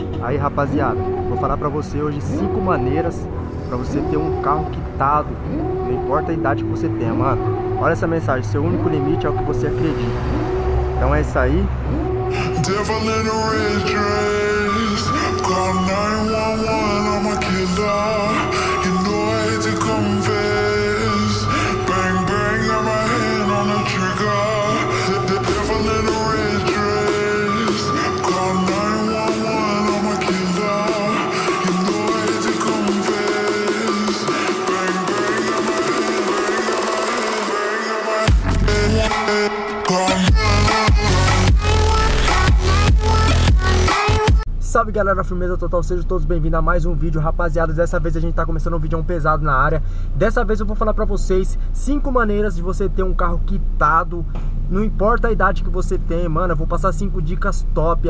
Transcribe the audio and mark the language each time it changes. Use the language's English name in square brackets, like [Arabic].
[Portuguese] Aí, rapaziada, vou falar para você hoje cinco maneiras para você ter um carro quitado, não importa a idade que você tenha, mano. Olha essa mensagem: seu único limite é o que você acredita. Então é isso aí. [English] Devil in a rage race, call 911, I'm a killer. You know I hate to confess. Bang bang, got my hand on the trigger. The devil in a rage race, call 911, I'm a killer. You know I hate to confess. Bang bang, got my hand, bang got my hand, bang got my hand. [Portuguese] Salve galera, firmeza total, sejam todos bem-vindos a mais um vídeo. Rapaziada, dessa vez a gente tá começando um vídeo pesado na área. Dessa vez eu vou falar pra vocês 5 maneiras de você ter um carro quitado. Não importa a idade que você tem, mano, eu vou passar 5 dicas top.